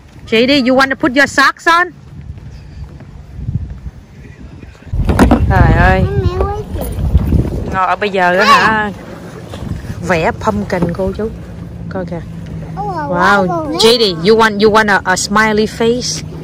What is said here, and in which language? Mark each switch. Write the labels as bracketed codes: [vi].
[en] JD, you want to put your socks on? [vi] Trời ơi, ngồi bây giờ đó hả, vẽ pumpkin cô chú coi kìa. [en] Wow, JD, you want a smiley face?